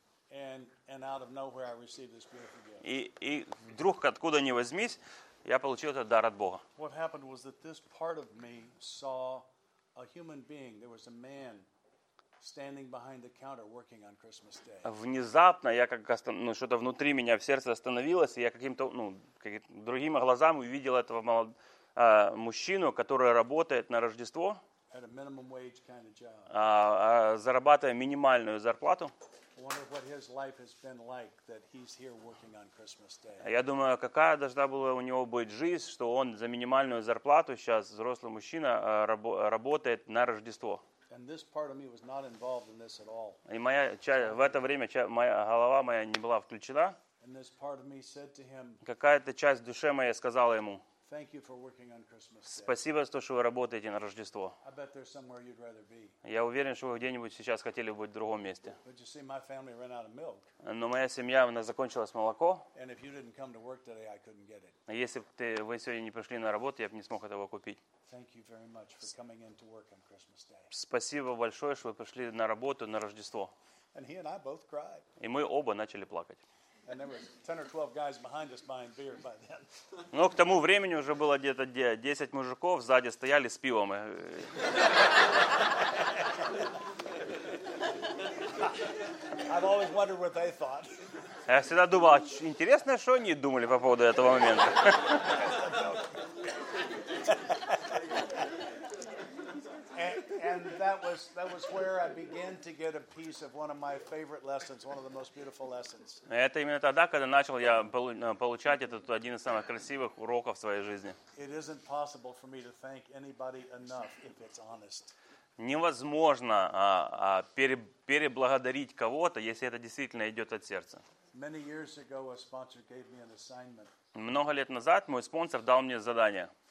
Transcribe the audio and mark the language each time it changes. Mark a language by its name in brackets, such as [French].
[English] And out of nowhere I received this beautiful gift. [Russian] И вдруг откуда ни возьмись, я получил этот дар от Бога. [English] What happened was that this part of me saw a human being. There was a man standing behind the counter working on Christmas Day. [Russian] Внезапно я что-то внутри меня в сердце остановилось, и я каким-то, другими глазами увидел этого молодого мужчину, который работает на Рождество. [English] At a minimum wage kind of job. [Russian] Зарабатывая минимальную зарплату. [English] Wonder what his life has been like that he's here working on Christmas Day. [Russian] Я думаю, какая должна была у него быть жизнь, что он за минимальную зарплату сейчас взрослый мужчина работает на Рождество. [English] And this part of me was not involved in this at all. [Russian] И моя часть в это время моя голова моя не была включена. [English] And this part of me said to him. [Russian] Какая-то часть души моя сказала ему. [English] Thank you for working on Christmas. [Russian] Спасибо за то, что вы работаете на Рождество. [English] I bet there's somewhere you'd rather be. [Russian] Я уверен, что вы где-нибудь сейчас хотели быть в другом месте. [English] But you see, my family ran out of milk. [Russian] Но моя семья у нас закончилось молоко. [English] And if you didn't come to work today, I couldn't get it. [Russian] Если бы вы сегодня не пришли на работу, я бы не смог этого купить. [English] Thank you very much for coming in to work on Christmas Day. [Russian] Спасибо большое, что вы пришли на работу на Рождество. [English] And he and I both cried. [Russian] И мы оба начали плакать. [English] And there were 10 or 12 guys behind us buying beer by then. [Russian] Но к тому времени уже было где-то 10 мужиков сзади стояли с пивом. [English] I've always wondered what they thought. [Russian] Я всегда думал, интересно, что они думали по поводу этого момента. [English] And that was where I began to get a piece of one of my favorite lessons, one of the most beautiful lessons. [Russian] Это именно тогда, когда начал я получать этот один из самых красивых уроков в своей жизни. [English] It isn't possible for me to thank anybody enough if it's honest. [Russian] Невозможно переблагодарить кого-то, если это действительно идет от сердца. [English] Many years ago, a sponsor gave me an assignment. [Russian] Много лет назад мой спонсор дал мне задание.